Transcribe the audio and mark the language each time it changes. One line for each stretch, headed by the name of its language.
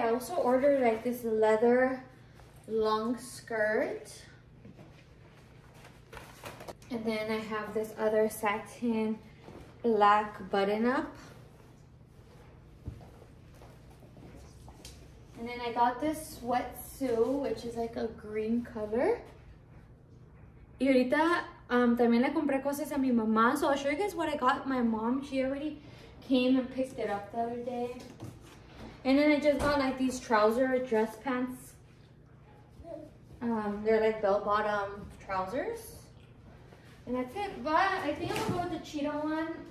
English: I also ordered like this leather long skirt, and then I have this other satin black button up, and then I got this sweatsuit, which is like a green color.
Spanish: Y ahorita también le compré cosas a mi mamá,
English: so I'll show you guys what I got my mom. She already came and picked it up the other day. And then I just got like these trouser dress pants. They're like bell-bottom trousers. And that's it, but I think I'm gonna go with the cheetah one.